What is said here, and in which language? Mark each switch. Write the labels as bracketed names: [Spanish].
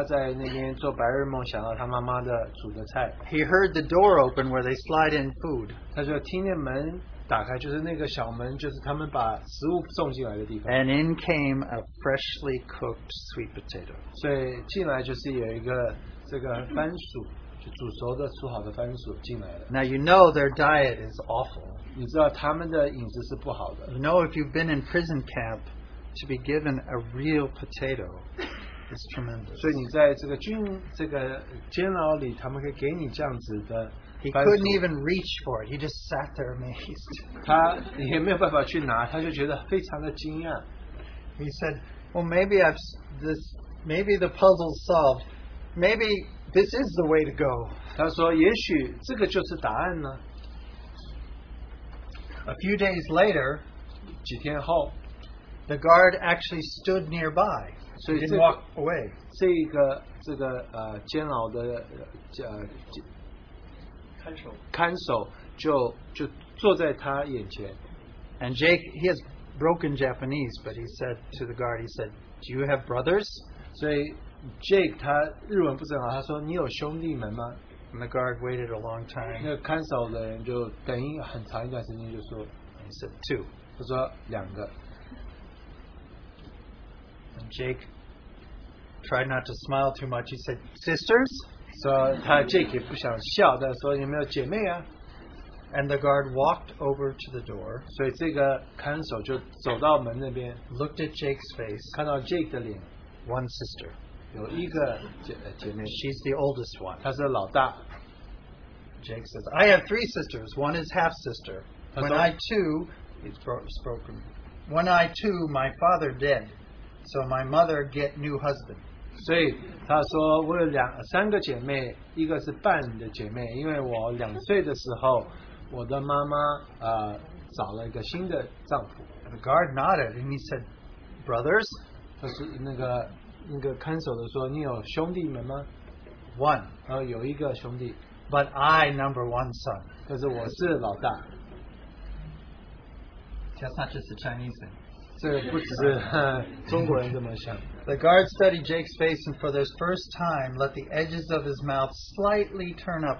[Chinese] 所以他在下午的时候，他在那边做白日梦，想到他妈妈的煮的菜。 [English] He heard the door open where they slide in food. [Chinese] 他就听见门。打开就是那个小门，就是他们把食物送进来的地方。 [English] And in came a freshly cooked sweet potato. [Chinese] 所以进来就是有一个这个番薯，就煮熟的煮好的番薯进来了。 [English] Now you know their diet is awful. [Chinese] 你知道他们的饮食是不好的。 [English] You know if you've been in prison camp, to be given a real potato is tremendous. [Chinese] 所以你在这个监牢里，他们可以给你这样子的。 [English] He couldn't even reach for it. He just sat there amazed. [Chinese] 他也没有办法去拿，他就觉得非常的惊讶。 [English] He said, "Well, maybe maybe the puzzle's solved. Maybe this is the way to go." [Chinese] 他说，也许这个就是答案呢。 [English] A few days later, [Chinese] 几天后， [English] the guard actually stood nearby. So he didn't walk away. [Chinese] 这个监牢的。看守就坐在他眼前， [English] and Jake, he has broken Japanese, but he said to the guard, he said, "Do you have brothers?" [Chinese] 所以Jake他日文不是很好，他说你有兄弟们吗？ [English] And the guard waited a long time. [Chinese] 那看守的人就等很长一段时间就说， [English] and he said, "Two." [Chinese] 他说两个。 [English] And Jake tried not to smile too much. He said, "Sisters?" [Chinese] 说他Jake也不想笑，但说有没有姐妹啊？ [English] And the guard walked over to the door. [Chinese] 所以这个看守就走到门那边， [English] looked at Jake's face. [Chinese] 看到Jake的脸， [English] one sister. [Chinese] 有一个姐妹， [English] she's the oldest one. [Chinese] 她是老大。 [English] Jake says, "I have three sisters. One is half sister. When I too, he's broken When I too, my father dead, so my mother get new husband. [Chinese] 所以他说我有三个姐妹，一个是半的姐妹，因为我两岁的时候，我的妈妈找了一个新的丈夫。 [English] The guard nodded and he said, "Brothers?" [Chinese] 他是那个看守的说，你有兄弟们吗？ [English] One. [Chinese] 然后有一个兄弟。 [English] But I number one son. [Chinese] 可是我是老大。 [English] That's not just a Chinese thing. [Chinese] 这不只是中国人这么想。 [English] The guard studied Jake's face and for the first time let the edges of his mouth slightly turn up.